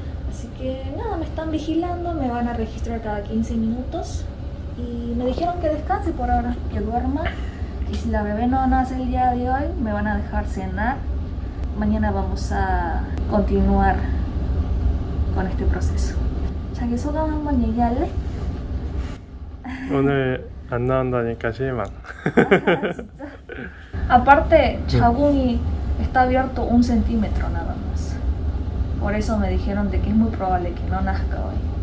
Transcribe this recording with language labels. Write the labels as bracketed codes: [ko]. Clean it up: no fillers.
[es] Así que nada, me están vigilando, me van a registrar cada 15 minutos y me dijeron que descanse por ahora, que duerma. Y si la bebé no nace el día de hoy, me van a dejar cenar. Mañana vamos a continuar con este proceso. [ko] 자기소가 한번 얘기할래? 오늘 안 나온다니까 실망. 아, 진짜? [es] Aparte, [ko] 자궁이 [es] está abierto 1 cm nada más. Por eso me dijeron de que es muy probable que no nazca hoy.